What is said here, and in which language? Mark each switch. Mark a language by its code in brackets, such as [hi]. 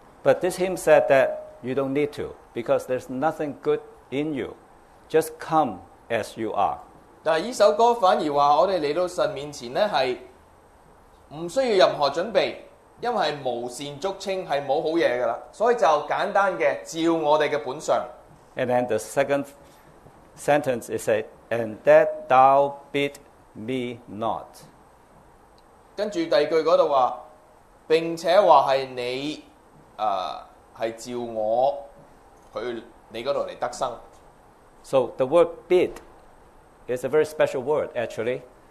[en] but this hymn said that you don't need to because there's nothing good in you. Just come as you are. [zh] 但這首歌反而說我們來到神面前是不需要任何準備，因為是無善足稱，是沒有好東西的，所以就簡單的照我們的本相。 [en] And then the second sentence is said, and that thou bid me not. [zh] 接著第二句那裡說, 并且说是你，是照我去你那里来得生。 [en] So the word bid is a very special word, actually.